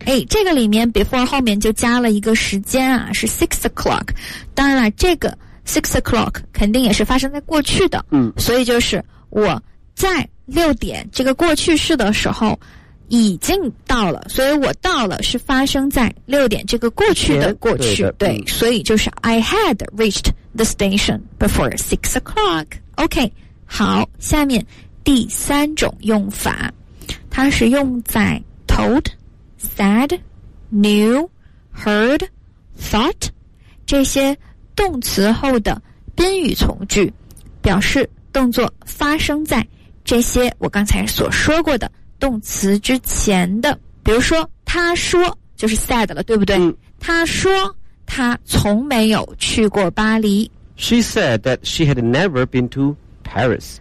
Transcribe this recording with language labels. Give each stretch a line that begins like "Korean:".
Chinese: 哎，这个里面 before 后面就加了一个时间啊，是 6 o'clock. 当然了，这个 6 o'clock 肯定也是发生在过去的。嗯，所以就是我在6点这个过去式的时候已经到了，所以我到了是发生在6点这个过去的过去。对, 对，所以就是
English: I had reached the station before 6 o'clock.
Chinese: OK, 好，下面第三种用法。它是用在 told, said, knew, heard, thought 这些动词后的宾语从句，表示动作发生在这些我刚才所说过的动词之前的。比如说他说，就是 said 了，对不对？他说他从没有去过巴黎。
English: She said that she had never been toParis.